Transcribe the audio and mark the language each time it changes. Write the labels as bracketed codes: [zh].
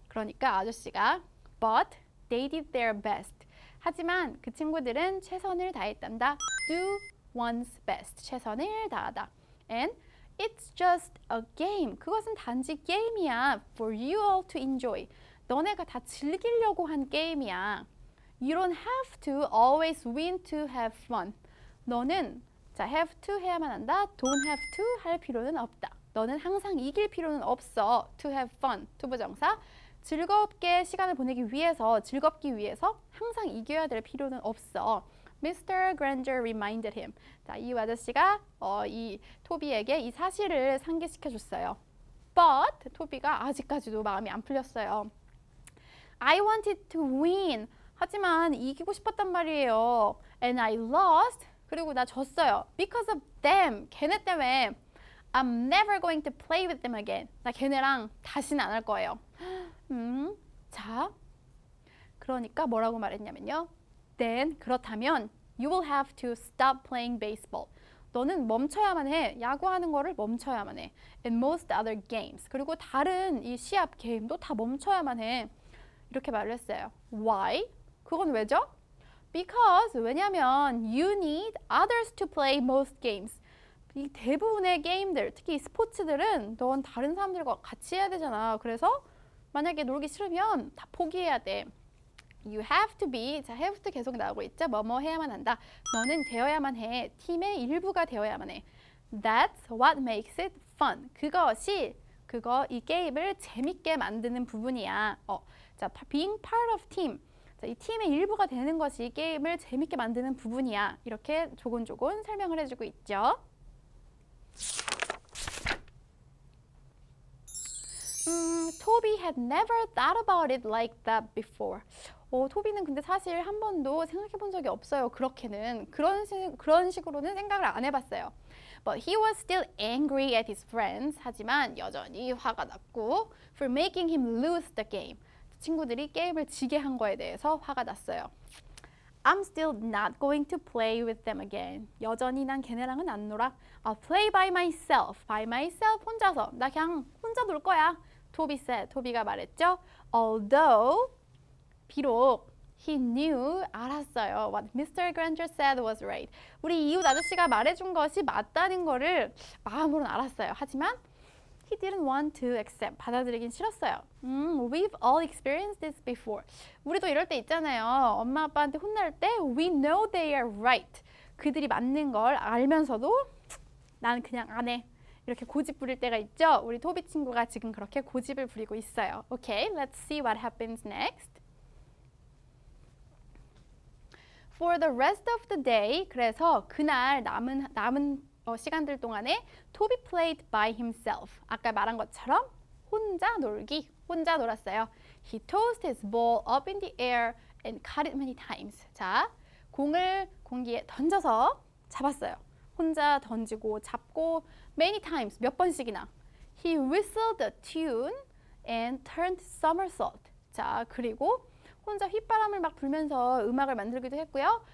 [ko] 그러니까 아저씨가 [en] But they did their best. [ko] 하지만 그 친구들은 최선을 다했단다. [en] Do one's best. [ko] 최선을 다하다. [en] And it's just a game. [ko] 그것은 단지 게임이야. [en] For you all to enjoy. [ko] 너네가 다 즐기려고 한 게임이야. [en] You don't have to always win to have fun. [ko] 너는 자 have to 해야만 한다. [en] Don't have to [ko] 할 필요는 없다. 너는 항상 이길 필요는 없어. [en] To have fun. To 부정사. [ko] 즐겁게 시간을 보내기 위해서, 즐겁기 위해서 항상 이겨야 될 필요는 없어. [en] Mr. Granger reminded him. [ko] 자, 이 아저씨가 이 토비에게 이 사실을 상기시켜줬어요. But 토비가 아직까지도 마음이 안 풀렸어요. [en] I wanted to win. [ko] 하지만 이기고 싶었단 말이에요. [en] And I lost. [ko] 그리고 나 졌어요. [en] Because of them. [ko] 걔네 때문에 [en] I'm never going to play with them again. [ko] 나 걔네랑 다시는 안 할 거예요. 자, 그러니까 뭐라고 말했냐면요. [en] Then, [ko] 그렇다면 [en] you will have to stop playing baseball. [ko] 너는 멈춰야만 해. 야구하는 거를 멈춰야만 해. [en] And most other games. [ko] 그리고 다른 이 시합 게임도 다 멈춰야만 해. 이렇게 말을 했어요. [en] Why? [ko] 그건 왜죠? [en] Because, [ko] 왜냐면 [en] you need others to play most games. [ko] 이 대부분의 게임들, 특히 스포츠들은 넌 다른 사람들과 같이 해야 되잖아. 그래서 만약에 놀기 싫으면 다 포기해야 돼. [en] You have to be, [ko] 자, have to 계속 나오고 있죠? 뭐뭐 해야만 한다. 너는 되어야만 해. 팀의 일부가 되어야만 해. [en] That's what makes it fun. [ko] 그것이, 그거 이 게임을 재밌게 만드는 부분이야. [en] 자, being part of team. [ko] 자, 이 팀의 일부가 되는 것이 게임을 재밌게 만드는 부분이야. 이렇게 조곤조곤 설명을 해주고 있죠. [en] Toby had never thought about it like that before. [ko] 토비는 근데 사실 한 번도 생각해 본 적이 없어요. 그렇게는. 그런 식으로는 생각을 안 해봤어요. [en] But he was still angry at his friends. [ko] 하지만 여전히 화가 났고 [en] for making him lose the game. [ko] 친구들이 게임을 지게 한 거에 대해서 화가 났어요. [en] I'm still not going to play with them again. [ko] 여전히 난 걔네랑은 안 놀아. [en] I'll play by myself. By myself. [ko] 혼자서. 나 그냥 혼자 놀 거야. [en] Toby said. [ko] 토비가 말했죠. [en] Although, [ko] 비록 [en] he knew, [ko] 알았어요. [en] What Mr. Granger said was right. [ko] 우리 이웃 아저씨가 말해준 것이 맞다는 거를 마음으로는 알았어요. 하지만, [en] He didn't want to accept. [ko] 받아들이긴 싫었어요. [en] We've all experienced this before. [ko] 우리도 이럴 때 있잖아요. 엄마 아빠한테 혼날 때 [en] We know they are right. [ko] 그들이 맞는 걸 알면서도 난 그냥 안 해. 이렇게 고집 부릴 때가 있죠. 우리 토비 친구가 지금 그렇게 고집을 부리고 있어요. [en] Okay, let's see what happens next. For the rest of the day. [ko] 그래서 그날 남은 시간들 동안에 [en] Toby played by himself. [ko] 아까 말한 것처럼 혼자 놀기, 혼자 놀았어요. [en] He tossed his ball up in the air and caught it many times. [ko] 자, 공을 공기에 던져서 잡았어요. 혼자 던지고 잡고 [en] many times, [ko] 몇 번씩이나. [en] He whistled a tune and turned somersault. [ko] 자, 그리고 혼자 휘파람을 막 불면서 음악을 만들기도 했고요.